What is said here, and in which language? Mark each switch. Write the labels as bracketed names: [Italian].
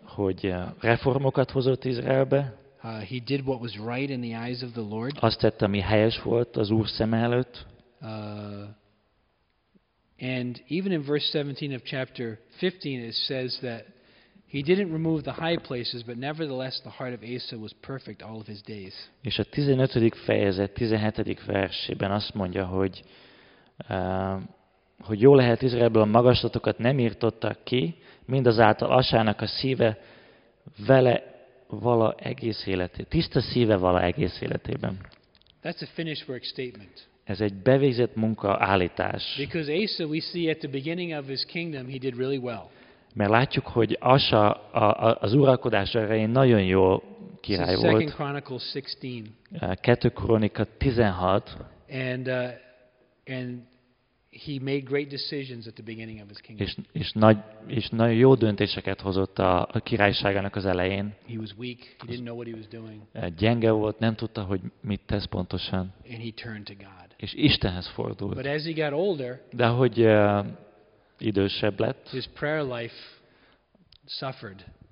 [Hungarian] Hogy reformokat hozott Izraelbe. [English] He did what was right in the eyes of the Lord. [Hungarian] Azt tette, ami helyes volt az Úr szeme előtt. [English] And even in verse 17 of chapter 15, it says that. He didn't remove the high places, but nevertheless the heart of Asa was perfect all of his days. [Hungarian] És a 15. fejezet 17. versében azt mondja, hogy jó lehet Izraelből a magaslatokat nem írtottak ki, mindazáltal Asának a szíve vele vala egész életében. Tiszta szíve vala egész életében. [English] That's a finished work statement. [Hungarian] Ez egy bevégzett munka állítás. [English] Because Asa, we see at the beginning of his kingdom, he did really well. [Hungarian] Mert látjuk, hogy Asa az uralkodás erején nagyon jó király volt. [English] 2 Chronicles 16. [Hungarian] 2 Krónika 16. [English] And he made great decisions at the beginning of his kingdom. [Hungarian] És nagyon jó döntéseket hozott a királyságának az elején. [English] He was weak. He didn't know what he was doing. [Hungarian] Gyenge volt, nem tudta, hogy mit tesz pontosan. [English] And he turned to God. [Hungarian] És Istenhez fordult. [English] But as he got older, [Hungarian] de ahogy idősebb lett. [English] His prayer life suffered.